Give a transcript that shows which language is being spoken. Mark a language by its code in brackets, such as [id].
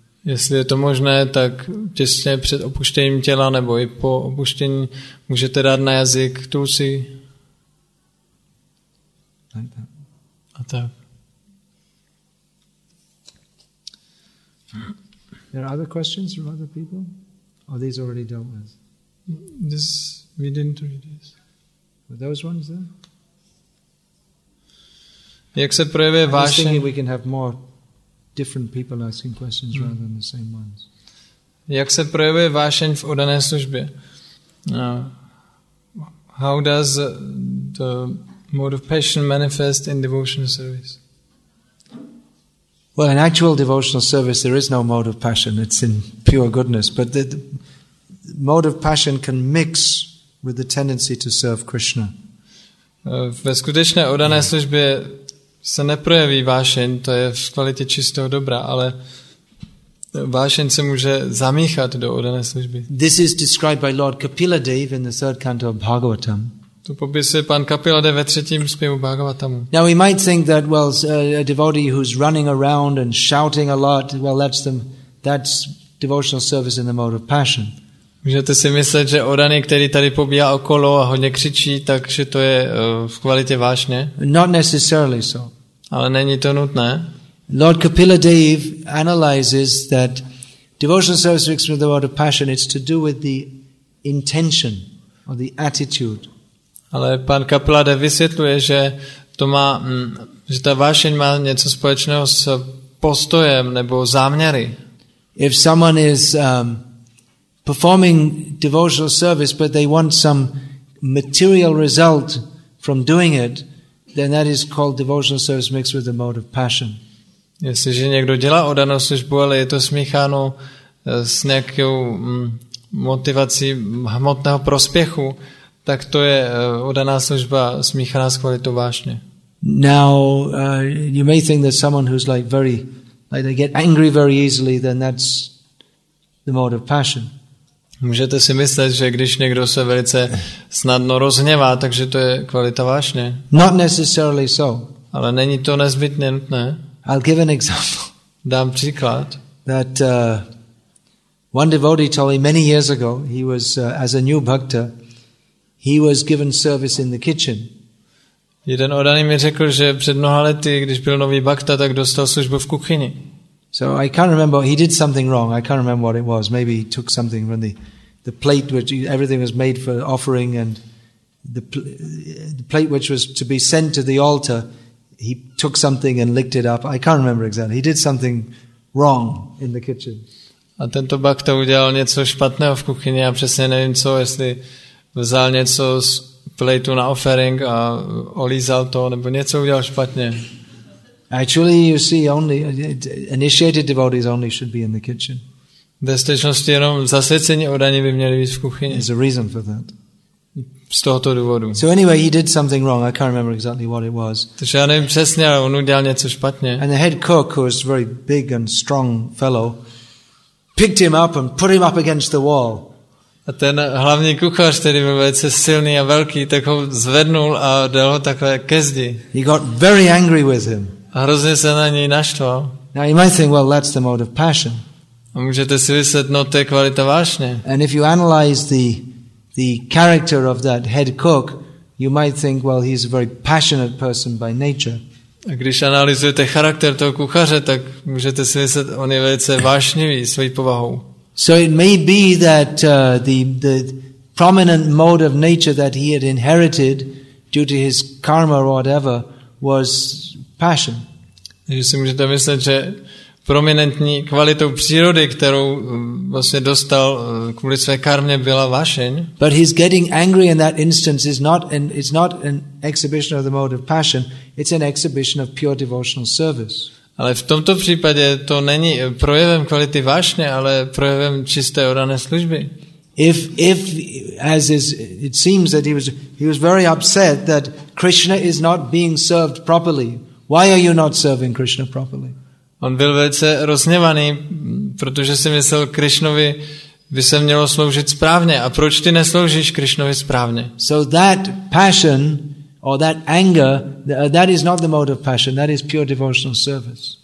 [cs] Jestli je to možné, tak těsně před opuštěním těla nebo i po opuštění můžete dát na jazyk tulsi. [en] Like that. [cs] A tak. [en] There are other questions from other people? Or these already dealt with? This, we didn't read this. Were those ones there? [cs] Jak se projevuje vášeň? [en] I was thinking we can have more different people asking questions rather than the same ones. [cs] Jak se projevuje vášeň v oddané službě? [en] How does the mode of passion manifest in devotional service? Well, in actual devotional service there is no mode of passion, it's in pure goodness, but the mode of passion can mix with the tendency to serve Krishna. [cs] Ve skutečné oddané službě se neprojeví vášeň, to je v kvalitě čistého dobra, ale vášeň se může zamíchat do oddané služby. [en] This is described by Lord Kapila Dev in the third canto of Bhagavatam. [cs] To popisuje pan Kapila Dev ve třetím zpěvu Bhagavatamu. [en] Now we might think that, well, a devotee who's running around and shouting a lot, well, that's devotional service in the mode of passion. [cs] Můžete si myslet, že oddaný, který tady pobíhá okolo a hodně křičí, takže to je v kvalitě vášně? [en] Not necessarily so. [cs] Ale není to nutné. [en] Lord Kapila Dev analyzes that devotional service mixed with the mode of passion, it's to do with the intention or the attitude. [cs] Ale pan Kapila Dev vysvětluje, že to má, že ta vášeň má něco společného s postojem nebo záměry. [en] If someone is performing devotional service, but they want some material result from doing it, then that is called devotional service mixed with the mode of passion. [cs] Jestliže někdo dělá oddanou službu, ale je to smícháno s nějakou motivací hmotného prospěchu, tak to je oddaná služba smíchaná s kvalitou vášně. [en] Now, you may think that someone who's like very, like they get angry very easily, then that's the mode of passion. [cs] Můžete si myslet, že když někdo se velice snadno rozhněvá, takže to je kvalita vášně. [en] Not necessarily so. [cs] Ale není to nezbytně nutné. [en] I'll give an example. [cs] Dám příklad. [en] That one devotee told me many years ago, he was as a new bhakta, he was given service in the kitchen. [cs] Jeden oddaný mi řekl, že před mnoha lety, když byl nový bhakta, tak dostal službu v kuchyni. [en] So I can't remember, he did something wrong. I can't remember what it was. Maybe he took something from the plate which everything was made for offering, and the plate which was to be sent to the altar, he took something and licked it up. I can't remember exactly. He did something wrong in the kitchen. [cs] A tento bakta udělal něco špatného v kuchyni, a přesně nevím co, jestli vzal něco z plateu na offering a olízal to, nebo něco udělal špatně. [en] Actually, you see, only initiated devotees only should be in the kitchen. [cs] Ve skutečnosti jenom zasvěcení oddaní by měli být v kuchyni. [en] There's a reason for that. [cs] Z tohoto důvodu. [en] So anyway, he did something wrong. I can't remember exactly what it was. [cs] Takže já nevím přesně, ale on udělal něco špatně. [en] And the head cook, who was a very big and strong fellow, picked him up and put him up against the wall. [cs] A ten hlavní kuchař, který byl velice silný a velký, tak ho zvednul a dal ho takhle ke zdi. [en] He got very angry with him. [cs] A hrozně se na něj naštval. [en] Now you might think, well, that's the mode of passion. [cs] A můžete si vysvět, no, to je kvalita vášně. [en] And if you analyze the character of that head cook, you might think, well, he's a very passionate person by nature. [cs] A když analyzujete charakter toho kuchaře, tak můžete si vysvět, on je velice vášnivý svojí povahou. [en] So it may be that the prominent mode of nature that he had inherited due to his karma or whatever was passion. [cs] Takže si můžete myslet, že prominentní kvalitou přírody, kterou vlastně dostal kvůli své karmě, byla vášeň. [en] But his getting angry in that instance is not an exhibition of the mode of passion, it's an exhibition of pure devotional service. [cs] Ale v tomto případě to není projevem kvality vášně, ale projevem čisté oddané služby. [en] If as is, it seems that he was very upset that Krishna is not being served properly. Why are you not serving Krishna properly? [cs] On byl velice rozněvaný, protože si myslel, Krišnovi by se mělo sloužit správně. A proč ty nesloužíš Krišnovi správně? [en] So that passion or that anger, that is not the mode of passion, that is pure devotional service.